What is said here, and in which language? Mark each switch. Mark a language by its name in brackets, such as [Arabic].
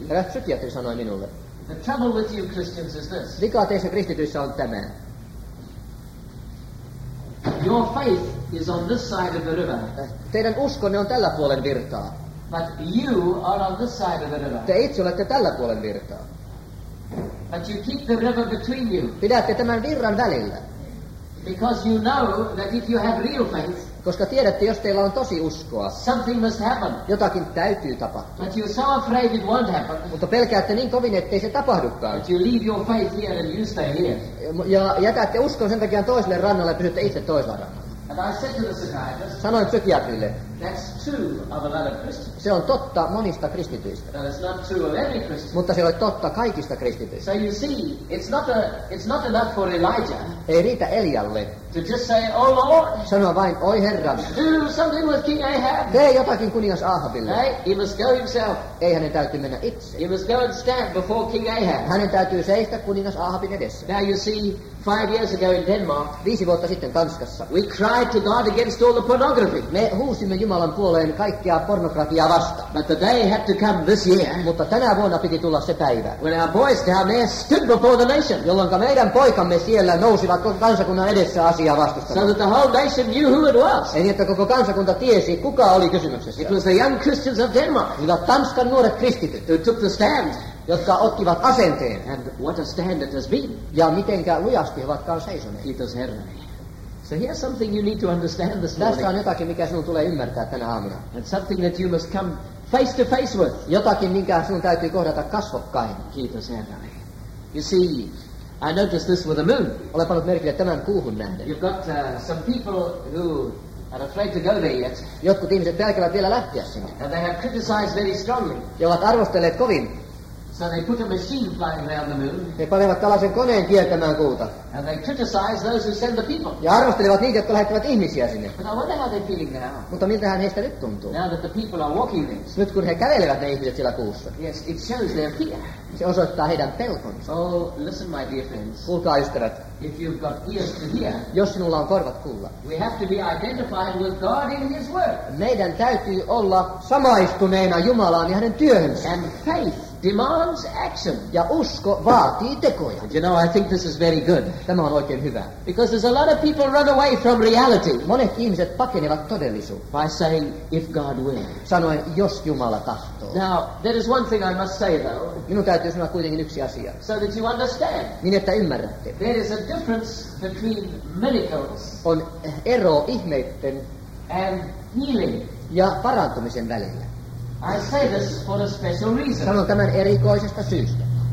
[Finnish] Herra psykiatri sanoi minulle. [English] The trouble with you Christians is this. [Finnish] Vika teissä kristityissä on tämä. [English] Your faith is on this side of the river. [Finnish] Teidän uskonne on tällä puolen virtaa. [English] But you are on this side of the river. [Finnish] Te itse olette tällä puolen virtaa. [English] But you keep the river between you. [Finnish] Pidätte tämän virran välillä. [English] Because you know that if you have real faith. [Finnish] Koska tiedätte, jos teillä on tosi uskoa, [English] something must happen. [Finnish] Jotakin täytyy tapahtua. [English] But you're so afraid it won't happen. [Finnish] Mutta pelkäätte niin kovin, ettei se tapahdukaan. [English] But you leave your faith here and you stay here. [Finnish] Ja jätätte uskon sen takia toiselle rannalle ja pysytte itse toisella rannalla. [English] And I said to the psychiatrist, [Finnish] sanoin psykiatrille, [English] that's true of a lot of Christians. [Finnish] Se on totta monista kristityistä. [English] That is not true of every Christian. [Finnish] Mutta se on totta kaikista kristityistä. [English] So you see, it's not enough for Elijah. [Finnish] Ei riitä Elialle. [English] To just say, oh Lord. [Finnish] Sanoa vain, oi Herra. [English] Do something with King Ahab. [Finnish] Tee jotakin kuningas Ahabille. [English] Hey, he must go himself. [Finnish] Ei hänen täytyy mennä itse. [English] He must go and stand before King Ahab. [Finnish] Hänen täytyy seistä kuningas Ahabin edessä. [English] Now you see, 5 years ago in Denmark. [Finnish] 5 vuotta sitten Tanskassa. [English] We cried to God against all the pornography. [Finnish] Me huusimme Jumalan puoleen kaikkia pornografiaa vastaan. [English] But the day had to come this year. [Finnish] Mutta tänä vuonna piti tulla se päivä. [English] When our boys down there stood before the nation. [Finnish] Jolloin meidän poikamme siellä nousivat koko kansakunnan edessä asiaa vastustamaan. [English] So that the whole nation knew who it was. [Finnish] Eli että koko kansakunta tiesi, kuka oli kysymyksessä. [English] It was the young Christians of Denmark. [Finnish] Hyvät Tanskan nuoret kristityt. [English] Who took the stand. [Finnish] Jotka ottivat asenteen. [English] And what a stand it has been. [Finnish] Ja mitenkä lujasti he ovatkaan seisoneet. Kiitos Herra. [English] So here's something you need to understand this morning. [Finnish] Tässä on jotakin, mikä sinun tulee ymmärtää tänä aamuna. [English] And something that you must come face to face with. [Finnish] Jotakin, minkä sinun täytyy kohdata kasvokkain. Kiitos Herra. [English] You see, I noticed this with the moon. [Finnish] Olen pannut merkille tämän kuuhun nähden. [English] You've got some people who are afraid to go there yet. [Finnish] Jotkut ihmiset pelkävät vielä lähteä sinne. [English] And they have criticized very strongly. [Finnish] Ja ovat arvostelleet kovin. [English] So they put a machine flying around the moon. [Finnish] He panevat tällaisen koneen kiertämään kuuta. [English] And they criticize those who send the people. [Finnish] Ja arvostelevat niitä, jotka lähettävät ihmisiä sinne. [English] But I wonder how they're feeling now. [Finnish] Mutta miltähän heistä nyt tuntuu? [English] Now that the people are walking there. [Finnish] Nyt kun he kävelevät ne ihmiset siellä kuussa. [English] Yes, it shows their fear. [Finnish] Se osoittaa heidän pelkonsa. [English] Oh, listen, my dear friends. [Finnish] Kuulkaa, ystävät. [English] If you've got ears to hear. [Finnish] Jos sinulla on korvat kuulla. [English] We have to be identified with God in His work. [Finnish] Meidän täytyy olla samaistuneena Jumalaan ja hänen työhönsä. [English] And faith demands action. [Finnish] Ja usko vaatii tekoja. [English] You know, I think this is very good. [Finnish] Tämä on oikein hyvä. [English] Because there's a lot of people run away from reality. [Finnish] Monet ihmiset pakenevat todellisuutta. [English] By saying, if God will. [Finnish] Sanoen, jos Jumala tahtoo. [English] Now, there is one thing I must say though. [Finnish] Minun täytyy sanoa kuitenkin yksi asia. [English] So that you understand. [Finnish] Niin, että ymmärrätte. [English] There is a difference between miracles. [Finnish] On ero ihmeitten. [English] And healing. [Finnish] Ja parantumisen välillä. [English] I say this for a special reason. [Finnish] Sanon tämän erikoisesta syystä.